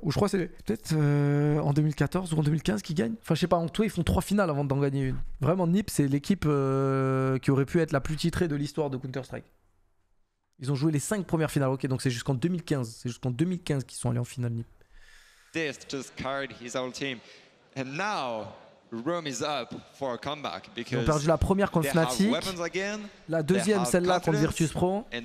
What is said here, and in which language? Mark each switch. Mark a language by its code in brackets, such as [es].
[fr] Ou je crois que c'est peut-être en 2014 ou en 2015 qu'ils gagnent. Enfin, je sais pas, en tout, ils font 3 finales avant d'en gagner une. Vraiment, Nip, c'est l'équipe qui aurait pu être la plus titrée de l'histoire de Counter-Strike. Ils ont joué les 5 premières finales, ok, donc c'est jusqu'en 2015. C'est jusqu'en 2015 qu'ils sont allés en finale, Nip. [en] This just carried his whole team. And now... Room is up for a comeback because [fr] ils ont perdu la première contre Fnatic, la deuxième celle-là contre Virtus Pro.